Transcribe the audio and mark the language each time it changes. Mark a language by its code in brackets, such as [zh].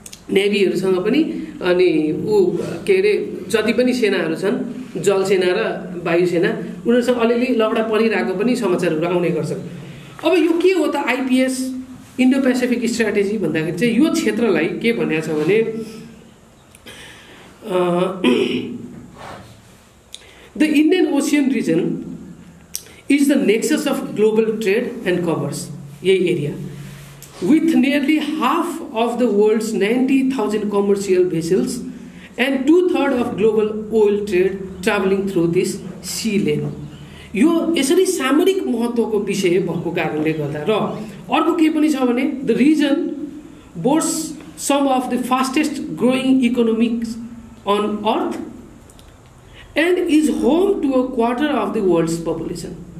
[ne] नेभीहरूसँग पनि अनि ऊ के अरे जति पनि सेनाहरू छन् जलसेना र वायुसेना उनीहरूसँग अलिअलि लगडा परिरहेको पनि समाचारहरू आउने गर्छ अब यो के हो त आइपिएस इन्डो पेसिफिक स्ट्राटेजी भन्दाखेरि चाहिँ यो क्षेत्रलाई के भनिएको छ भने [en] The Indian Ocean region is the nexus of global trade and commerce, yay area. With nearly half of the world's 90,000 commercial vessels and two-thirds of global oil trade traveling through this sea lane. [ne] यो यसरी सामरिक महत्त्वको विषय भएको कारणले गर्दा र अर्को के पनि छ भने [en] The region boasts some of the fastest growing economics on earth and is home to a quarter of the world's population.